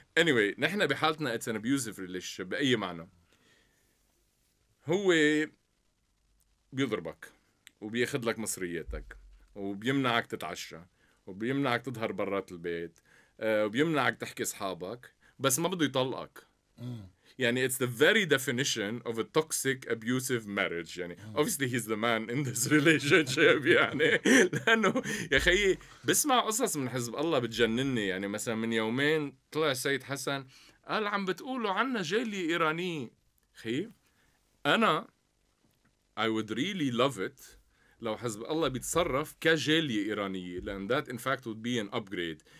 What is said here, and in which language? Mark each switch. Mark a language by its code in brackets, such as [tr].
[ar] anyway نحن بحالتنا [en] it's an abusive relationship [ar] باي معنى، هو بيضربك وبياخذ لك مصرياتك وبيمنعك تتعشى وبيمنعك تظهر برات البيت وبيمنعك تحكي اصحابك بس ما بده يطلقك. يعني [en] it's the very definition of a toxic abusive marriage. [ar] يعني [en] obviously he's the man in this relationship. [ar] يعني لانه يا خي بسمع قصص من حزب الله بتجنني. يعني مثلا من يومين طلع السيد حسن قال عم بتقولوا عنا جالي ايراني. خي انا [en] I would really love it [ar] لو حزب الله بيتصرف كجالية إيرانية، لأن [en] that in fact would be an upgrade.